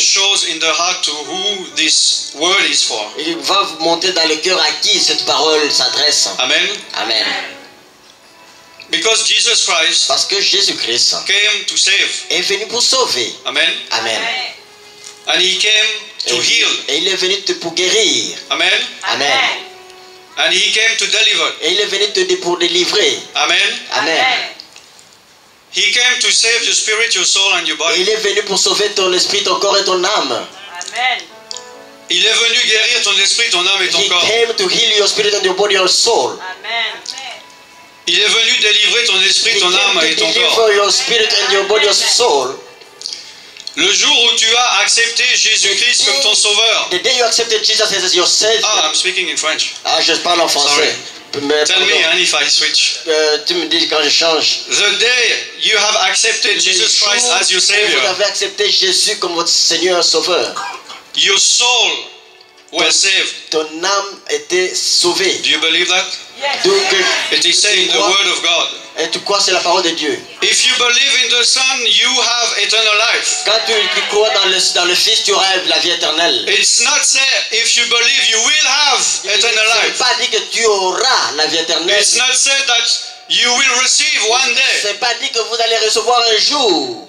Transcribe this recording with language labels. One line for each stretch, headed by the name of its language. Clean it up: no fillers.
English: shows in the heart to who this word is for.
French: Il va monter dans le cœur à qui cette parole s'adresse. Amen. Amen.
English: Because Jesus Christ
French: parce que Jésus-Christ
English: came to save.
French: Est venu pour sauver. Amen. Amen.
English: And he came to heal.
French: Et il est venu pour guérir. Amen. Amen.
English: And he came to deliver.
French: Et il est venu pour délivrer. Amen. Amen.
English: He came to save your spirit, your soul, and your body.
French: Il est venu pour sauver ton esprit, ton corps et ton âme. Amen. Il est venu guérir ton esprit, ton âme et ton corps.
English: He came to heal your spirit and your body and soul. Amen.
French: Il est venu délivrer ton esprit, ton âme et ton corps.
English: He came to deliver your spirit and your body and soul.
French: Le jour où tu as accepté Jésus-Christ comme ton sauveur.
English: The day you accepted Jesus as your savior. Ah, I'm speaking in French.
French: Ah, je parle en français.
English: Sorry.
French: Mais
English: tell pardon. Me, and if I switch.
French: Tu me dis quand je change.
English: The day you have accepted Jesus Christ as your savior.
French: Vous avez accepté Jésus comme votre Seigneur Sauveur.
English: Your soul was saved.
French: Ton âme était sauvée.
English: Do you believe that? Yes.
French: Donc,
English: it is saying the word of God.
French: Et tu crois c'est la parole de Dieu.
English: If you believe in the Son, you have eternal life.
French: Quand tu crois dans le Fils, tu rêves la vie éternelle.
English: It's not said if you believe, you will have eternal life.
French: C'est pas dit que tu auras la vie éternelle.
English: It's not said that you will receive one day.
French: C'est pas dit que vous allez recevoir un jour.